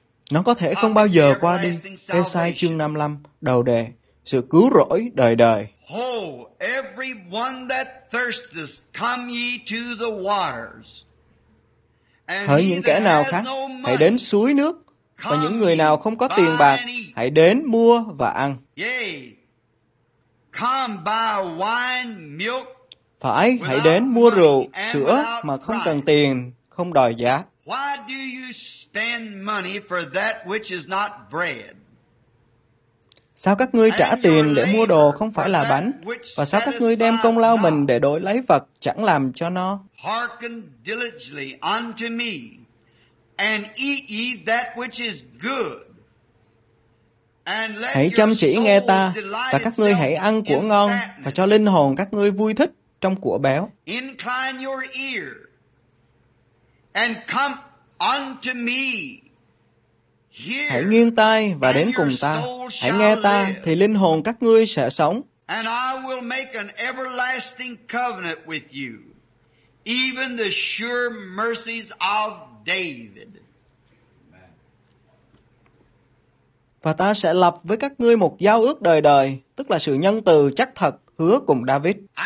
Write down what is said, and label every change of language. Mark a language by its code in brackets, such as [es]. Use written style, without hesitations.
[vi] Nó có thể không bao giờ qua đi. Ê-sai chương 55, đầu đề, sự cứu rỗi đời đời. [en] Ho, everyone that thirsteth, come ye to the waters. [vi] Hỡi những kẻ nào khác, hãy đến suối nước, và những người nào không có tiền bạc, hãy đến mua và ăn. [en] Come buy wine, milk. [vi] Phải, hãy đến mua rượu, sữa mà không cần tiền, không đòi giá. [en] Why do you spend money for that which is not bread? [vi] Sao các ngươi trả tiền để mua đồ không phải là bánh? Và sao các ngươi đem công lao mình để đổi lấy vật chẳng làm cho no? [en] Hearken diligently unto me, and eat ye that which is good. [vi] Hãy chăm chỉ nghe ta, và các ngươi hãy ăn của ngon, và cho linh hồn các ngươi vui thích trong của béo. [en] Incline your ear, and come unto me. [vi] Hãy nghiêng tai và đến cùng ta. Hãy nghe ta, thì linh hồn các ngươi sẽ sống. [en] And I will make an everlasting covenant with you, even the sure mercies of David. [vi] Và ta sẽ lập với các ngươi một giao ước đời đời, tức là sự nhân từ chắc thật hứa cùng David.